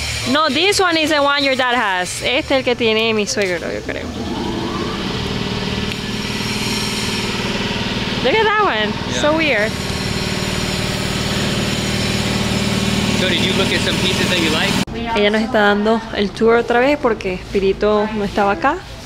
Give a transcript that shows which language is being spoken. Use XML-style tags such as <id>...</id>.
<en>No, this one is the one your dad has.</en> <es>Este es el que tiene mi suegro, yo creo.</es> <en>Look at that one. Yeah. So weird. So did you look at some pieces that you like?</en> <es>Ella nos está dando el tour otra vez porque Espíritu no estaba acá.</es>